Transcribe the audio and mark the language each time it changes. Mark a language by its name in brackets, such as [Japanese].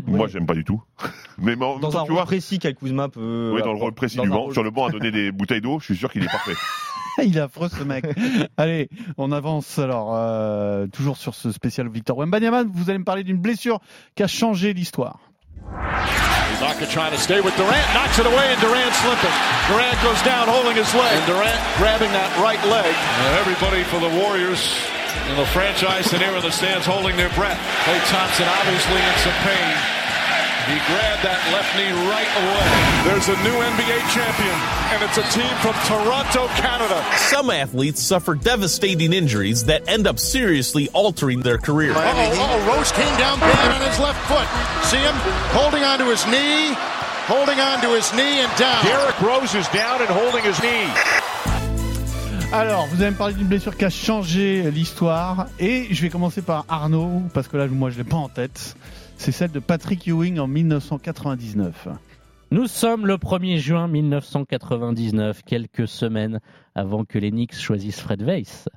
[French] Moi, j'aime pas du tout. Mais dans un rôle précis, Kyle Kuzma peut. Oui, dans le rôle précis du banc. Sur le banc, à donner des bouteilles d'eau, je suis sûr qu'il est parfait. Il est affreux, ce mec. Allez, on avance. Alors, toujours sur ce spécial Victor Wembanyama, vous allez me parler d'une blessure qui a changé l'histoire. [English] Ibaka trying to stay with Durant, knocks it away, and Durant slipping. Durant goes down, holding his leg. And Durant grabbing that right leg. Everybody for the Warriors in the franchise and here in the stands holding their breath. Clay Thompson obviously in some pain. He grabbed that left knee right away. There's a new NBA champion, and it's a team from Toronto, Canada. Some athletes suffer devastating injuries that end up seriously altering their career. Uh-oh, Rose came down bad on his left foot. See him holding onto his knee, and down. Derrick Rose is down and holding his knee. [French] Alors, vous avez parlé d'une blessure qui a changé l'histoire, et je vais commencer par Arnaud, parce que là, moi, je l'ai pas en tête. C'est celle de Patrick Ewing en 1999. Nous sommes le 1er juin 1999, quelques semaines avant que les Knicks choisissent Fred Weiss.